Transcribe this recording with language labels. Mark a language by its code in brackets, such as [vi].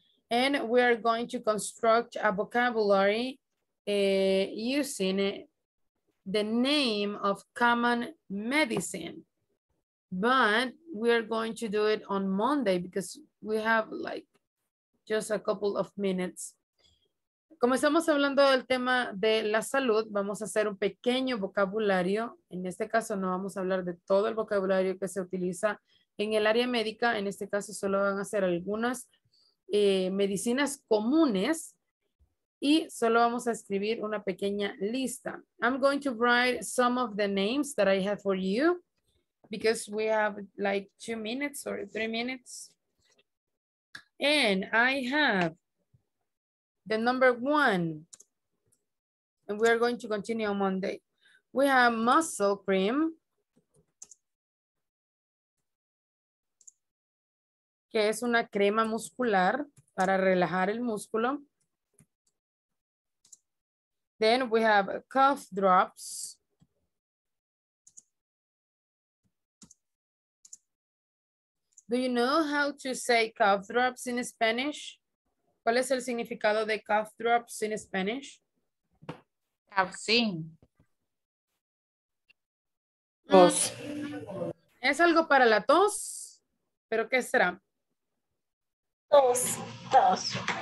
[en] And we are going to construct a vocabulary using the name of common medicine. But we are going to do it on Monday because we have like just a couple of minutes. [es] Como estamos hablando del tema de la salud, vamos a hacer un pequeño vocabulario. En este caso no vamos a hablar de todo el vocabulario que se utiliza en el área médica. En este caso solo van a ser algunas medicinas comunes y solo vamos a escribir una pequeña lista. [en] I'm going to write some of the names that I have for you because we have like 2 minutes or 3 minutes. And I have the number one, and we're going to continue on Monday. We have muscle cream, [es] que es una crema muscular para relajar el músculo. [en] Then we have cough drops. Do you know how to say cough drops in Spanish? [es] ¿Cuál es el significado de [en] cough drops in Spanish? Capsin. [es] Tos. ¿Es algo para la tos? ¿Pero qué será? Tos. Tos.